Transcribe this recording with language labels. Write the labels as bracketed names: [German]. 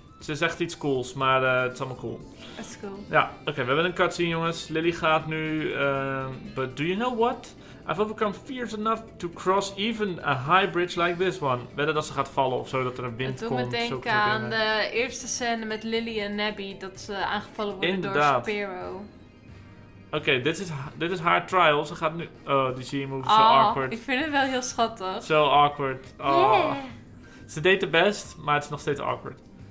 [Dutch] Ze zegt iets cools, maar het is allemaal cool. Het is cool. Ja, oké. We hebben een cutscene, jongens. Lily gaat nu... [English] But do you know what? I've overcome fears enough to cross even a high bridge like this one. [Dutch] Wedden dat ze gaat vallen of zo, dat er een wind komt. Het doet me denken aan de eerste scène met Lily en Nebby, dat ze aangevallen worden door Spearow. Oké, dit is haar trial. Ze gaat nu... Oh, die zie je hem zo awkward. Ik vind het wel heel schattig. Zo awkward. Oh. Yeah. Ze deed de best, maar het is nog steeds awkward.